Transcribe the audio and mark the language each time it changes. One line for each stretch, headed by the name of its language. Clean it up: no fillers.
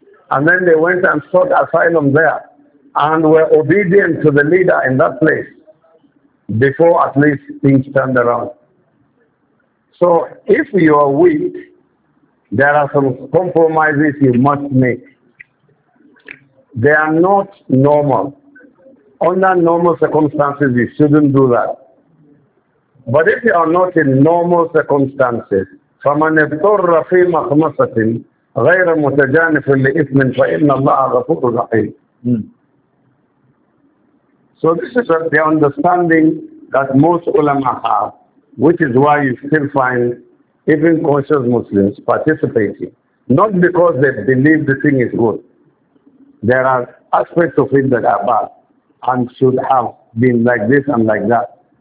English: And then they went and sought asylum there and were obedient to the leader in that place before at least things turned around. So if you are weak, there are some compromises you must make. They are not normal. Under normal circumstances, you shouldn't do that. But if you are not in normal circumstances,
Arabic: فَمَنْ اِبْتُرَّ فِي مَخْمَسَةٍ غَيْرَ مُتَجَانِفٍ لِإِثْمٍ فَإِنَّ اللَّهَ غَفُورٌ رَحِيمٌ.
English: So this is the understanding that most ulama have, which is why you still find even conscious Muslims participating. Not because they believe the thing is good. There are aspects of it that are bad and should have been like this and like that.